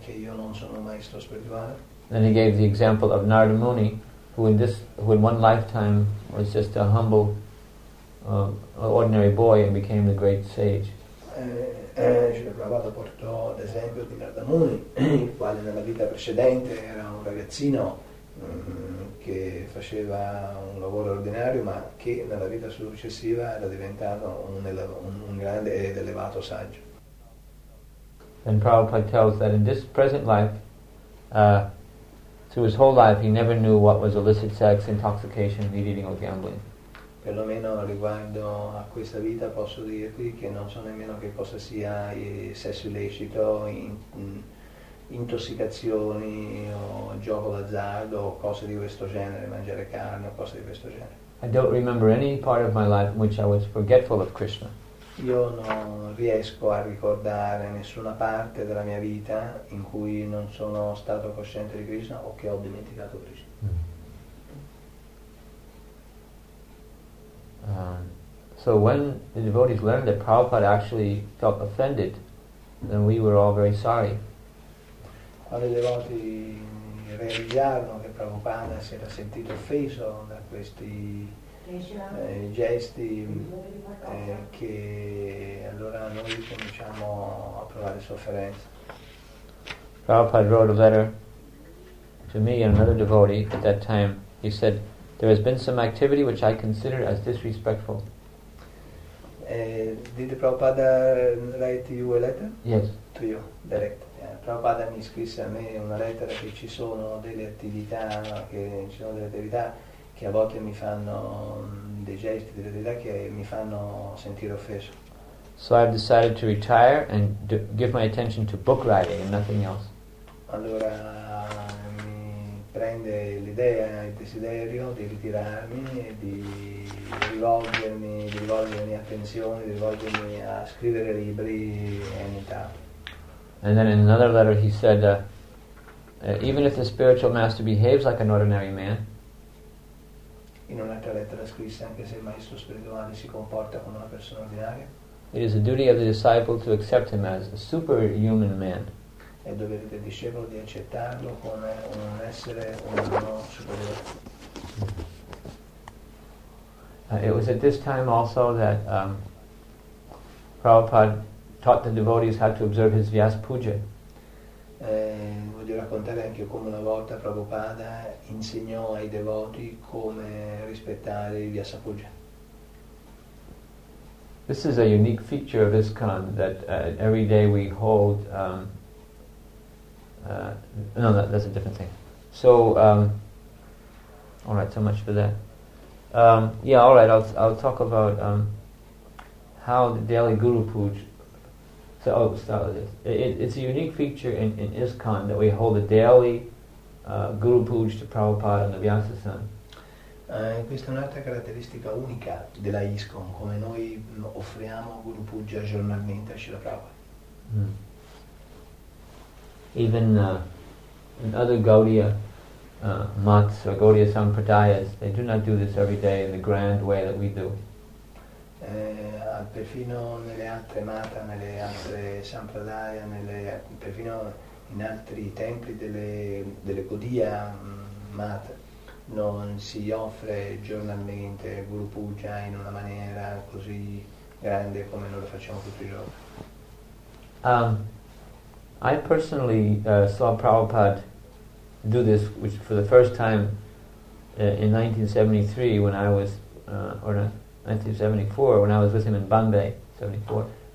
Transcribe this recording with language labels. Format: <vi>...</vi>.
<it>Che io non sono maestro spirituale?</it> <en>Then he gave the example of Narada Muni, who in one lifetime was just a humble, ordinary boy and became the great sage.</en> <it>Prabhupada portò l'esempio di Narada Muni, il quale nella vita precedente era un ragazzino che faceva un lavoro ordinario, ma che nella vita successiva era diventato un grande ed elevato saggio.</it> <en>And Prabhupada tells that in this present life, through his whole life, he never knew what was illicit sex, intoxication, meat eating, or gambling.</en> <it>Perlomeno riguardo a questa vita posso dirti che non so nemmeno che cosa sia il sesso illecito, intossicazioni o gioco d'azzardo o cose di questo genere, mangiare carne o cose di questo genere.</it> <en>I don't remember any part of my life in which I was forgetful of Krishna.</en> <it>Io non riesco a ricordare nessuna parte della mia vita in cui non sono stato cosciente di Krishna o che ho dimenticato Krishna.</it> <en>So when the devotees learned that Prabhupada actually felt offended, then we were all very sorry.</en> <it>Quando i devoti realizzarono che Prabhupada si era sentito offeso da questi gesti, che allora noi cominciamo a provare sofferenza.</it> <en>Prabhupada wrote a letter to me and another devotee at that time. He said, "There has been some activity which I consider as disrespectful." Did Prabhupada write you a letter? Yes. To you, direct.</en> <it>Prabhupada mi scrisse a me una lettera che ci sono delle attività, che a volte mi fanno dei gesti, delle attività che mi fanno sentire offeso.</it> <en>So I've decided to retire and give my attention to book writing and nothing else.</en> <it>Allora mi prende l'idea, il desiderio di ritirarmi e di rivolgermi attenzione, di rivolgermi a scrivere libri e nient'altro.</it> <en>And then in another letter he said, even if the spiritual master behaves like an ordinary man,</en> <it>in un'altra lettera scrisse, anche se il maestro spirituale si comporta come una persona ordinaria,</it> <en>it is the duty of the disciple to accept him as a superhuman man.</en> <it>È dovere del discepolo di accettarlo come un essere umano superiore.</it> <en>It was at this time also that Prabhupada taught the devotees how to observe his Vyasa Puja.</en> <it>Voglio raccontare anche come una volta Prabhupada insegnò ai devoti come rispettare il Vyasa Puja.</it> <en>This is a unique feature of ISKCON, that every day we hold... that's a different thing. So, all right, so much for that. I'll talk about how the daily Guru Pooj... It's a unique feature in ISKCON that we hold a daily Guru Pooj to Prabhupada and the Vyasa Sun.</en> <it>Questa è un'altra caratteristica unica della ISKCON, come noi offriamo Guru Puja giornalmente a Srila Prabhupada.</it> <en>Even in other Gaudiya Mats or Gaudiya Sampradayas, they do not do this every day in the grand way that we do.</en> <it>Perfino nelle altre Mata, nelle altre Sampradaya, perfino in altri templi delle Gaudiya Mata, non si offre giornalmente Guru Puja in una maniera così grande come noi lo facciamo tutti i giorni.</it> <en>I personally saw Prabhupada do this for the first time in 1973 when I was, 1974 when I was with him in Bombay, 74.</en>